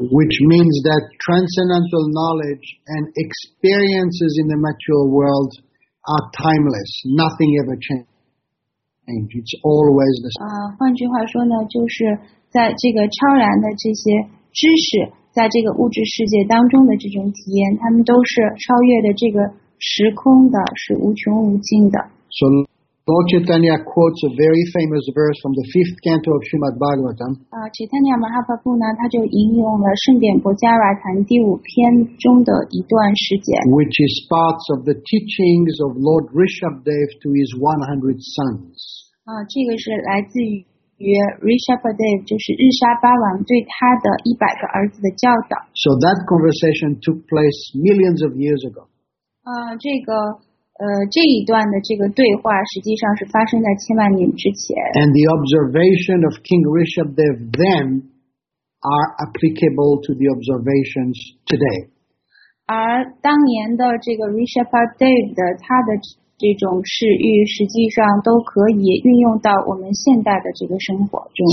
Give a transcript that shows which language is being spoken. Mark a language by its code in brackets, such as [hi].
[en] Which means that transcendental knowledge and experiences in the material world are timeless. Nothing ever changes. It's always the same. [zh] 换句话说呢，就是在这个超然的这些知识，在这个物质世界当中的这种体验，它们都是超越的这个时空的，是无穷无尽的。 [en] So,Lord Chaitanya quotes a very famous verse from the fifth canto of Srimad Bhagavatam. [zh] Chaitanya Mahaprabhu 呢，他就引用了圣典薄伽瓦坛第五篇中的一段诗节。 [en] Which is parts of the teachings of Lord Rishabhdev to his 100 sons. [zh] 这个是来自于 Rishabhdev, 就是日沙巴王对他的一百个儿子的教导。 [en] So that conversation took place millions of years ago. [zh] 这一段的这个对话实际上是发生在千万年之前。 [en] And the observation of King Rishabhdev then are applicable to the observations today. [zh] 而当年的这个 Rishabhdev 的他的这种视域实际上都可以运用到我们现代的这个生活中。